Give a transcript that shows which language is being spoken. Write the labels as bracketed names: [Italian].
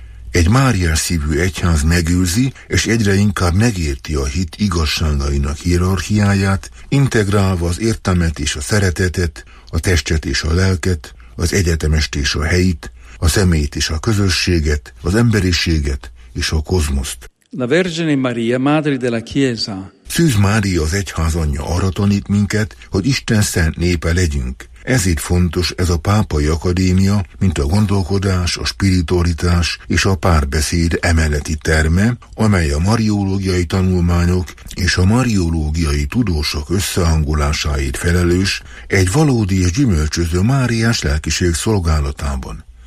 [Hungarian] Egy máriás szívű egyház megőrzi, és egyre inkább megérti a hit igazságainak hierarchiáját, integrálva az értelmet és a szeretetet, a testet és a lelket, az egyetemest és a helyit, a szemét és a közösséget, az emberiséget és a kozmoszt. [Italian] La Vergine Maria, Madre della Chiesa. [Hungarian] Szűz Mária az egyház anyja arra tanít minket, hogy Isten szent népe legyünk. Ezért fontos ez a pápai akadémia, mint a gondolkodás, a spiritualitás és a párbeszéd emeleti terme, amely a mariológiai tanulmányok és a mariológiai tudósok összehangolásáért felelős, egy valódi és gyümölcsöző Máriás lelkiség szolgálatában.